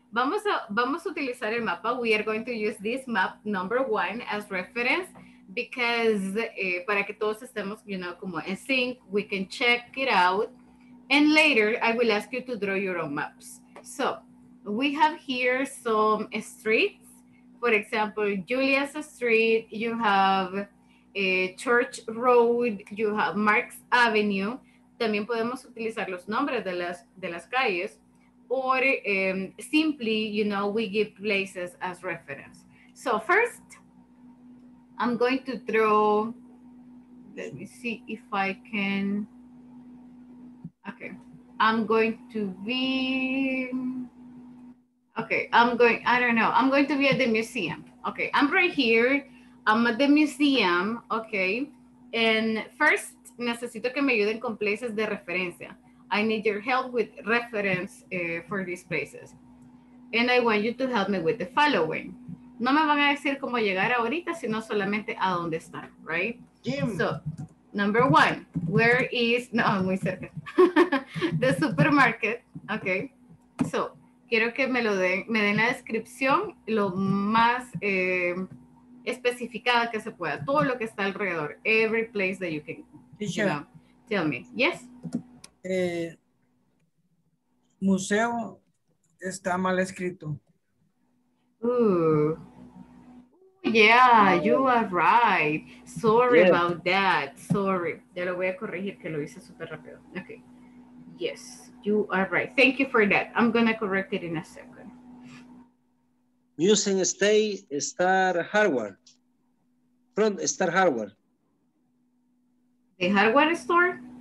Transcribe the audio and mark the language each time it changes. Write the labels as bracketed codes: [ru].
[en] Vamos a utilizar el mapa. We are going to use this map number one as reference because para que todos estemos, you know, como en sync, we can check it out. And later I will ask you to draw your own maps. So we have here some streets. For example, Julius Street, you have Church Road, you have Marx Avenue. [es] También podemos utilizar los nombres de las calles. [en] Or simply, you know, we give places as reference. So first, I'm going to throw, let me see if I can, okay. I'm going to be at the museum. Okay, I'm right here. I'm at the museum, okay? [es] And first, necesito que me ayuden con places de referencia. [en] I need your help with reference for these places. And I want you to help me with the following. [es] No me van a decir cómo llegar ahorita, sino solamente a dónde están, right? [en] Gym. So, number one, where is, no, muy cerca. [es] The supermarket, okay? So, quiero que me den la descripción lo más especificada que se pueda, todo lo que está alrededor, every place that you can, you know, tell me. Yes? Museo está mal escrito. [en] Ooh. Yeah, you are right. Sorry yes. About that. Sorry. [es] Ya lo voy a corregir que lo hice súper rápido. [en] Okay. Yes. You are right. Thank you for that. I'm going to correct it in a second. Museum stay star hardware. Front star hardware. The hardware store?